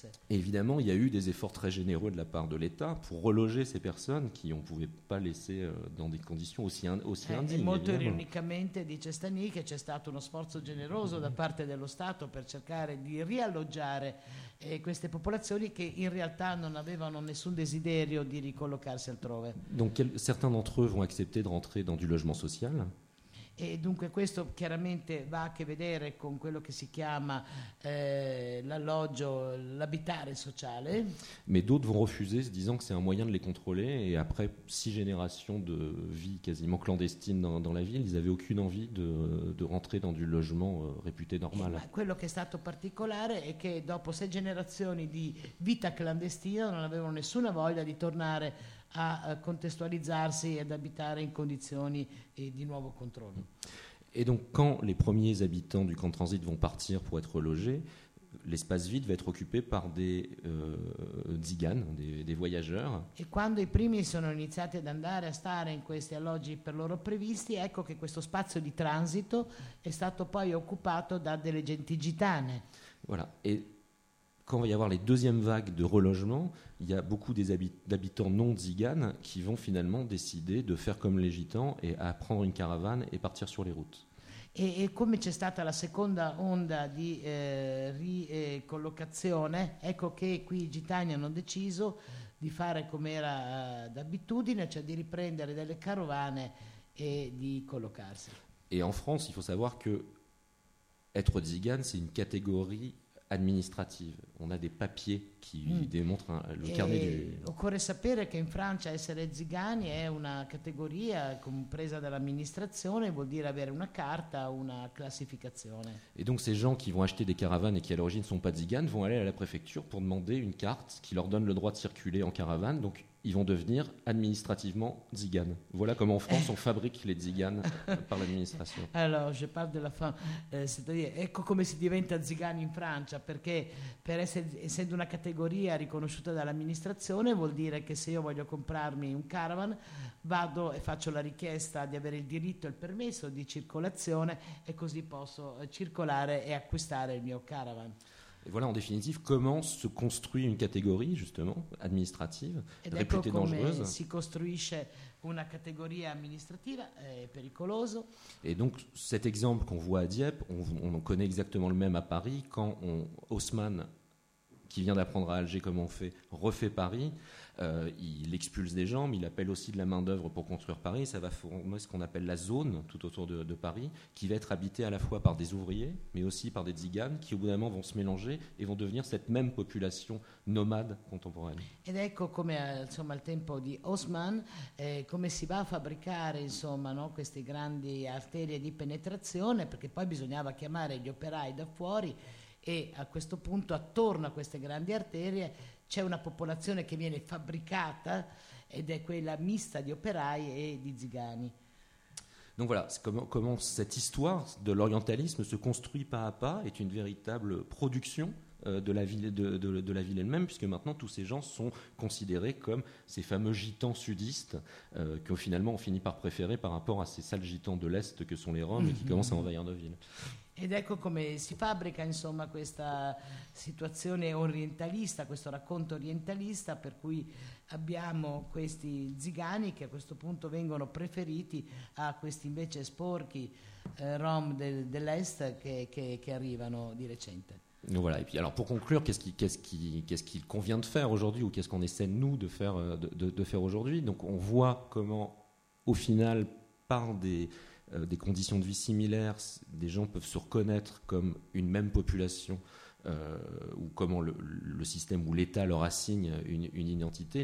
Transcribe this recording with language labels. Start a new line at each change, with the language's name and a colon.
French: Évidemment, il y a eu des efforts très généreux de la part de l'État pour reloger ces personnes qui on ne pouvait pas laisser dans des conditions aussi indignes.
Italian: Molto ironicamente, dice Stani, che c'è stato uno sforzo generoso da parte dello Stato per cercare di rialloggiare queste popolazioni che in realtà non avevano nessun desiderio di ricollocarsi altrove.
French: Donc, certains d'entre eux vont accepter de rentrer dans du logement social.
Italian: E dunque questo chiaramente va a che vedere con quello che si chiama l'alloggio, l'abitare sociale.
French: Mais d'autres vont refuser, disant que c'est un moyen de les contrôler, et après six générations de vie quasiment clandestine dans la ville, ils avaient aucune envie de rentrer dans du logement réputé normal.
Italian: Quello che è stato particolare è che dopo sei generazioni di vita clandestina non avevano nessuna voglia di tornare a contestualizzarsi ed abitare in condizioni di nuovo controllo.
French: E donc quand les premiers habitants du camp de transit vont partir pour être logés, l'espace vide va être occupé par des tziganes, des voyageurs.
Italian: E quando i primi sono iniziati ad andare a stare in questi alloggi per loro previsti, ecco che questo spazio di transito è stato poi occupato da delle genti gitane.
French: Voilà. Et quand il va y avoir les deuxièmes vagues de relogement, il y a beaucoup d'habitants non tziganes qui vont finalement décider de faire comme les gitans et à prendre une caravane et partir sur les routes.
Italian: E come c'è stata la seconda onda di ricollocazione, ecco che qui i gitani hanno deciso di fare come era d'abitudine, cioè di riprendere delle carovane e di collocarsi.
French: Et en France, il faut savoir que être tzigane, c'est une catégorie administrative. On a des papiers qui démontrent le carnet du.
Italian: Occorre sapere che in Francia essere zigani è una categoria compresa dall'amministrazione, vuol dire avere una carta, una classificazione.
French: Et donc ces gens qui vont acheter des caravanes et qui à l'origine ne sont pas ziganes vont aller à la préfecture pour demander une carte qui leur donne le droit de circuler en caravane. Donc ils vont devenir administrativement tziganes. Voilà comment en France on fabrique les tziganes par l'administration. Alors, je parle de la fin. C'est-à-dire,
Italian: ecco come si diventa zigani in Francia, perché per essendo una categoria riconosciuta dall'amministrazione, vuol dire che se io voglio comprarmi un caravan, vado e faccio la richiesta di avere il diritto e il permesso di circolazione e così posso circolare e acquistare il mio caravan.
French: Et voilà en définitive comment se construit une catégorie justement administrative réputée dangereuse.
Italian: Si costruisce una categoria amministrativa pericoloso.
French: Et donc cet exemple qu'on voit à Dieppe, on connaît exactement le même à Paris quand Haussmann, qui vient d'apprendre à Alger comment on fait, refait Paris. Il expulse des gens, mais il appelle aussi de la main d'œuvre pour construire Paris. Ça va former ce qu'on appelle la zone tout autour de Paris, qui va être habitée à la fois par des ouvriers, mais aussi par des tziganes, qui au bout d'un moment vont se mélanger et vont devenir cette même population nomade contemporaine.
Italian: Ed ecco come insomma al tempo di Haussmann, come si va a fabbricare insomma, no, queste grandi arterie di penetrazione, perché poi bisognava chiamare gli operai da fuori. E a questo punto, attorno a queste grandi arterie, c'è una popolazione che viene fabbricata ed è quella mista di operai e di zigani.
French: Donc voilà, comment cette histoire de l'orientalisme se construit pas à pas, est une véritable production de la ville elle-même, puisque maintenant tous ces gens sont considérés comme ces fameux gitans sudistes que finalement on finit par préférer par rapport à ces sales gitans de l'Est que sont les Roms et qui commencent à envahir nos villes.
Italian: Ed ecco come si fabbrica insomma questa situazione orientalista, questo racconto orientalista per cui abbiamo questi zigani che a questo punto vengono preferiti a questi invece sporchi Rom dell'Est che arrivano di recente.
French: Voilà. Et puis, alors, pour conclure, qu'est-ce qu'il convient de faire aujourd'hui, ou qu'est-ce qu'on essaie nous de faire aujourd'hui? Donc, on voit comment, au final, par des conditions de vie similaires, des gens peuvent se reconnaître comme une même population, ou comment le système ou l'État leur assigne une identité.